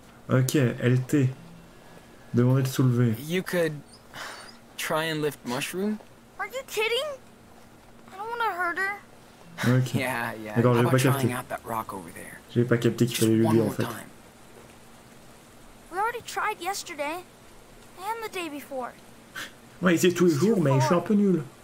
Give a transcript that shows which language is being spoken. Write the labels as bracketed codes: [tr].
[fr] Ok, LT. Demandez de soulever. [en] try and lift Mushroom? Are you kidding? I don't want to hurt her. Okay. [fr] Yeah. D'accord, j'ai pas capté. J'ai pas capté qu'il fallait lui dire en fait. [en] We already tried yesterday and the day before. [fr] Ouais, c'est tous les jours, mais je suis un peu nul.